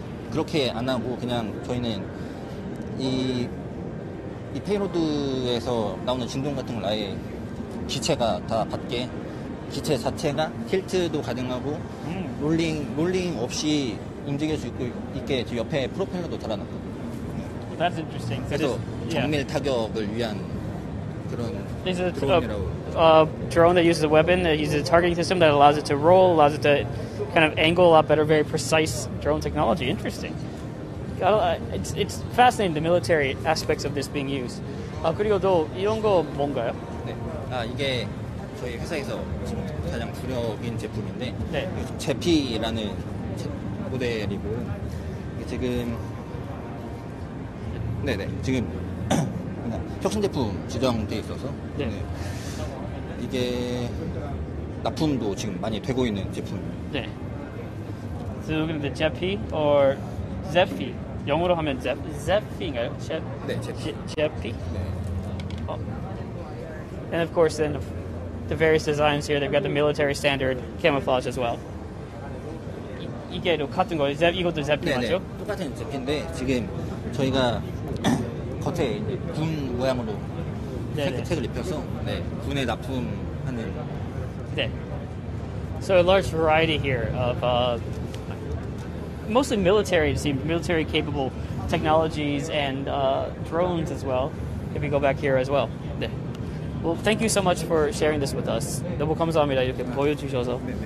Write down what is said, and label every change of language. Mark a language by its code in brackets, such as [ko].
[ko] 그렇게 안 하고 그냥 저희는 이 페이로드에서 나오는 진동 같은 걸 아예 기체가 다 받게 기체 자체가 틸트도 가능하고 롤링 없이 움직일 수 있게 옆에 프로펠러도 달아놨고 [en] That's interesting. [ko] 그래서 정밀 타격을 위한 그런 드론이라고 [en] drone that uses a weapon that uses a targeting system that allows it to roll allows it to kind of angle a lot better, very precise drone technology. Interesting. It's fascinating, the military aspects of this being used. [ko] 아, 그리고 또 이런 거 뭔가요? 네. 아, 이게 저희 회사에서 지금 가장 주력인 제품인데 네. 제피라는 모델이고 이게 지금 네네, 지금 혁신 제품 지정되어 있어서 네. 이게 납품도 지금 많이 되고 있는 제품. 네. [en] So we're looking at the Jeffy or Zephy. [ko] 영어로 하면 Zephy인가요? 네, [en] Jeffy. [ko] 네. [en] Oh. And of course, then the various designs here. They've got the military standard camouflage as well. [ko] 이게 똑같은 거예요. 이것도 Zephy 맞죠? 네, 똑같은 Zephy인데 지금 저희가 겉에 군 모양으로 색색을 입혀서 네, 군에 납품하는. 네. [en] So a large variety here of mostly military, it seems, military capable technologies and drones as well, if we go back here as well. [ko] 네. [en] Well, thank you so much for sharing this with us. [ko] 너무 감사합니다. 이렇게 보여주셔서.